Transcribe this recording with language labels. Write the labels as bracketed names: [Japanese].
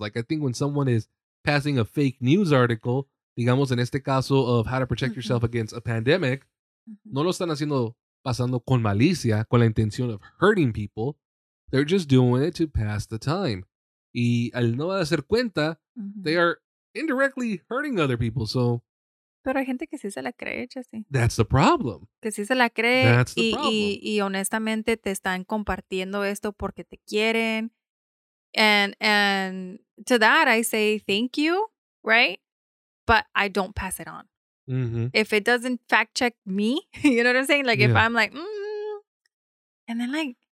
[English] Like I think when someone is passing a fake news article, digamos en este caso of how to protect yourself against a pandemic, no lo están haciendo pasando con malicia, con la intención of hurting people. They're just doing it to pass the time. Y al no hacer cuenta, they are indirectly hurting other people. So, [Spanish] pero hay gente que sí se la cree, Jesse. [English] That's the problem. [Spanish] Que sí se la cree. Y honestamente te están compartiendo esto porque te quieren. [English] And to that, I say thank you, right? But I don't pass it on. If it doesn't fact check me, you know what I'm saying? Like, if I'm like, and then like,